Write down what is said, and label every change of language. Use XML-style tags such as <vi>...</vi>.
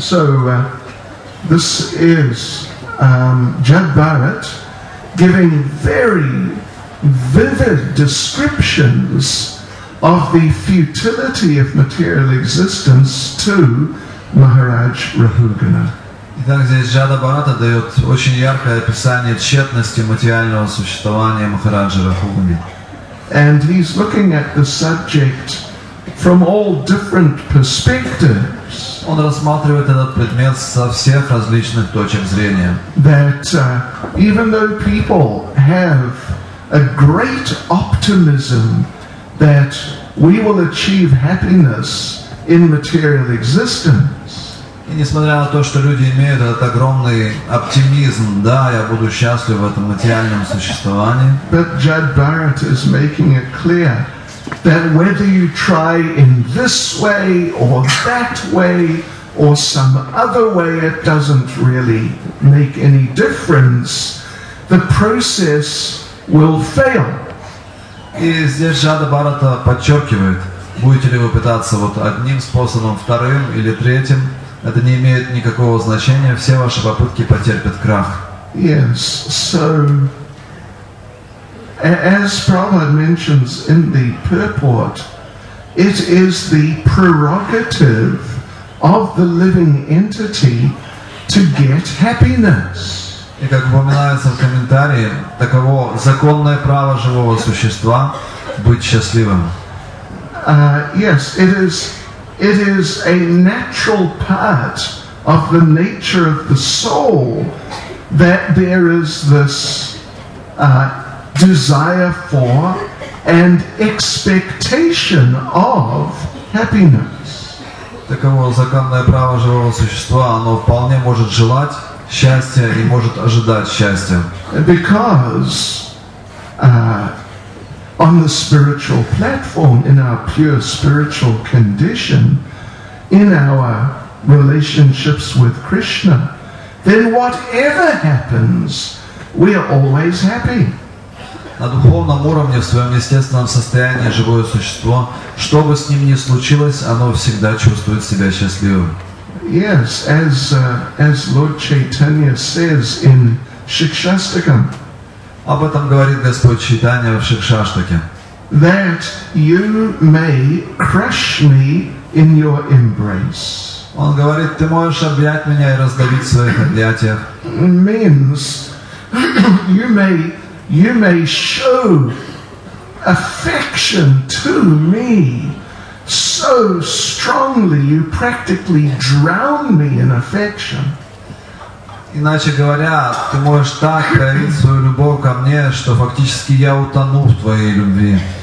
<en>So this is Jad Bharat giving very vivid descriptions of the futility of material existence to Maharaj Rahugana.</en> <ru>Итак, здесь Джада Бхарата дает очень яркое описание тщетности материального существования Махараджа Рахугани.</ru> <en>And he's looking at the subject from all different perspectives.</en> <ru>Он рассматривает этот предмет со всех различных точек зрения.</ru> <en>That even though people have a great optimism that we will achieve happiness in material existence.</en> <ru>И несмотря на то, что люди имеют этот огромный оптимизм, да, я буду счастлив в этом материальном существовании.</ru> <en>But Judd Barrett is making it clear that whether you try in this way or that way or some other way, it doesn't really make any difference. The process will fail.</en> <ru>И здесь Джада Барата подчеркивает, будете ли вы пытаться вот одним способом, вторым или третьим, это не имеет никакого значения, все ваши попытки потерпят крах.</ru> <en>Yes, so, as Prabhupada mentions in the purport, it is the prerogative of the living entity to get happiness.</en> <ru>И как упоминается в комментарии, таково законное право живого существа быть счастливым.</ru> <en>Yes, it is a natural part of the nature of the soul that there is this desire for and expectation of happiness.</en> <ru>Таково законное право живого существа, оно вполне может желать счастья и может ожидать счастья.</ru> <en>Because on the spiritual platform, in our pure spiritual condition, in our relationships with Krishna, then whatever happens, we are always happy.</en> <ru>На духовном уровне, в своем естественном состоянии, живое существо, что бы с ним ни случилось, оно всегда чувствует себя счастливым.</ru> <en>Yes, as Lord Chaitanya says in Shikshastakam.</en> <ru>Об этом говорит Господь Чайтанья в Шикшаштаке.</ru> <en>That you may crush me in your embrace.</en> <ru>Он говорит, ты можешь объять меня и раздавить в своих объятиях.</ru> <en>Means you may show affection to me so strongly, you practically drown me in affection.</en> <ru>Иначе говоря, ты можешь так проявить свою любовь ко мне, что фактически я утону в твоей любви.</ru>